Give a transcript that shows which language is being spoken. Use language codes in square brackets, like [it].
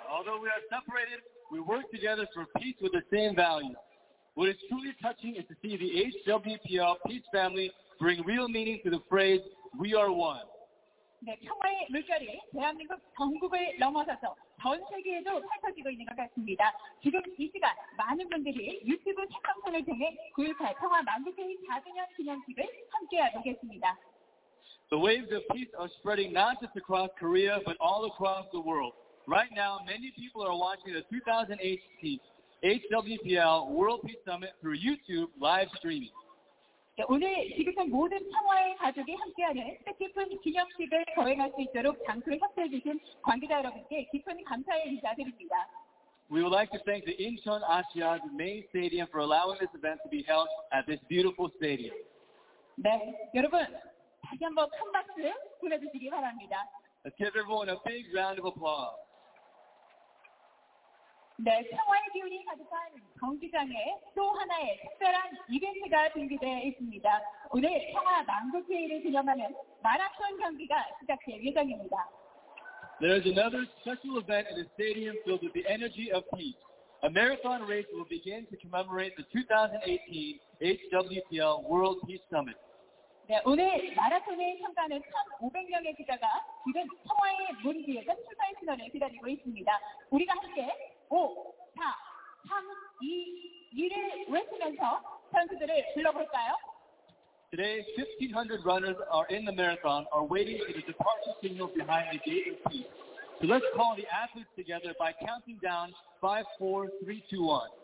[en] Although we are separated, we work together for peace with the same values. What is truly touching is to see the HWPL Peace Family bring real meaning to the phrase, we are one. [ko] 네, 평화의 물결이 대한민국 전국을 넘어서서 전 세계에도 펼쳐지고 있는 것 같습니다. 지금 이 시간 많은 분들이 유튜브 채광창을 통해 9.18 평화 만국회의 4주년 기념식을 함께하고 계십니다. [en] The waves of peace are spreading not just across Korea, but all across the world. Right now, many people are watching the 2018 HWPL World Peace Summit through YouTube live streaming. [ko] 오늘 지구촌 모든 평화의 가족이 함께하는 뜻깊은 기념식을 거행할 수 있도록 장소에 협조해 주신 관계자 여러분께 깊은 감사의 인사드립니다. [en] We would like to thank the Incheon ASEAN main stadium for allowing this event to be held at this beautiful stadium. [ko] 네, 여러분 다시 한번 큰 박수 보내주시기 바랍니다. [en] Let's give everyone a big round of applause. [ko] 네, 평화의 기운이 가득한 경기장에 또 하나의 특별한 이벤트가 준비되어 있습니다. 오늘 평화 만국회의를 기념하는 마라톤 경기가 시작될 예정입니다. [en] There is another special event in the stadium filled with the energy of peace. A marathon race will begin to commemorate the 2018 HWPL World Peace Summit. [ko] 네, 오늘 마라톤에 참가하는 1,500명의 기자가 지금 평화의 문 뒤에서 출발 신호를 기다리고 있습니다. 우리가 함께 5, 4, 3, 2, 1을 외치면서 선수들을 불러볼까요? [en] Today, 1,500 runners are in the marathon, are waiting for the departure signal behind the gate of peace. So let's call the athletes together by counting down 5, 4, 3, 2, 1.